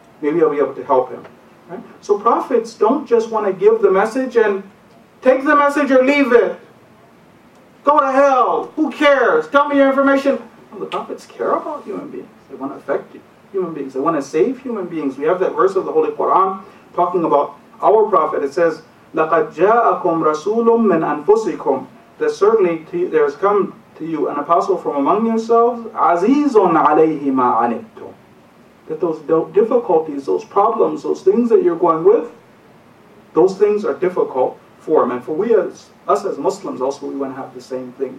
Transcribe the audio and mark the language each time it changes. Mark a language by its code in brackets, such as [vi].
[en] Maybe I'll be able to help him. Right? So prophets don't just want to give the message and take the message or leave it. Go to hell. Who cares? Tell me your information. Well, the prophets care about human beings. They want to affect human beings. They want to save human beings. We have that verse of the Holy Quran talking about our prophet. It says, [ar] لَقَدْ جَاءَكُمْ رَسُولٌ مِّنْ أَنفُسِكُمْ. [en] That certainly there has come to you an apostle from among yourselves, [ar] عَزِيزٌ عَلَيْهِ مَا عَنِتُمْ. [en] That those difficulties, those problems, those things that you're going with, those things are difficult for him. And for us as Muslims also, we want to have the same thing.